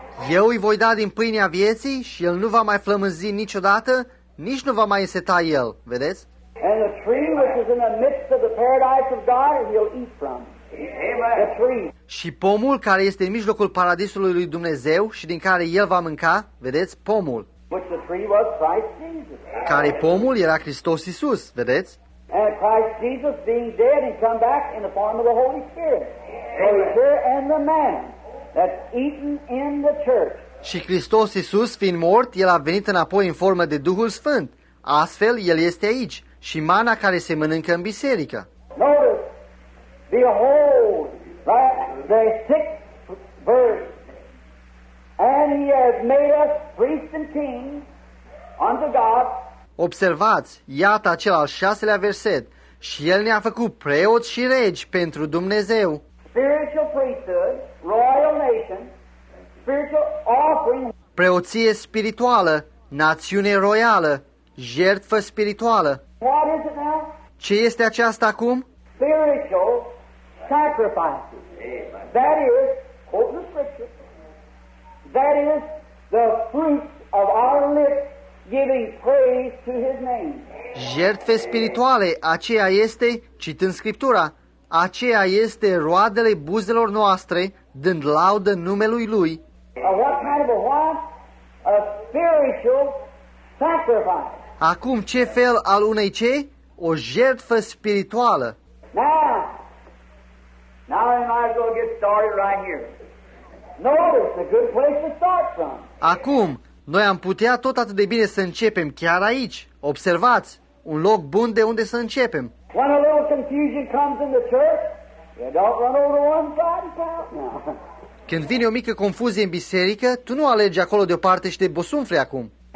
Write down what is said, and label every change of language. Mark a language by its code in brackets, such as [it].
[ro] Eu îi voi da din pâinea vieții și el nu va mai flămânzi niciodată, nici nu va mai înseta el, vedeți? [en] And the tree which is in the midst of the paradise of God, he'll eat from. The tree. [ro] Și pomul care este în mijlocul paradisului lui Dumnezeu și din care el va mânca, vedeți, pomul. [en] Which the tree was Christ Jesus. [ro] Care pomul era Hristos Iisus, vedeți? [en] And Christ Jesus being dead, he come back in the form of the Holy Spirit. Amen. So here and the man that's eaten in the church. [ro] Și Hristos Iisus fiind mort, el a venit înapoi în formă de Duhul Sfânt. Astfel, el este aici. Și mana care se mănâncă în biserică. [en] Notice, behold, the sixth verse, and he has made us priests and kings unto God. [ro] Observați, iată acel al șaselea verset, și el ne-a făcut preoți și regi pentru Dumnezeu. [en] Spiritual priesthood, royal nation, spiritual offering. [ro] Preoție spirituală, națiune royală, jertfă spirituală. [en] What is it now? [ro] Ce este aceasta acum? [en] Spiritual sacrifices. That is, quote the scripture, that is the fruit of our lips giving praise to his name. [ro] Jertfe spirituale, aceea este, citând scriptura, aceea este roadele buzelor noastre, dând laudă numelui lui. [en] What kind of a what? A spiritual sacrifice. [ro] Acum, ce fel al unei ce? O jertfă spirituală. [en] Now we might as well get started right here. Notice a good place to start from. [ro] Acum, noi am putea tot atât de bine să începem chiar aici. Observați, un loc bun de unde să începem. [en] When a little confusion comes in the church, you don't run over to one side and count now. [ro] Când vine o mică confuzie în biserică, tu nu alegi acolo de o parte și te bosumfli acum.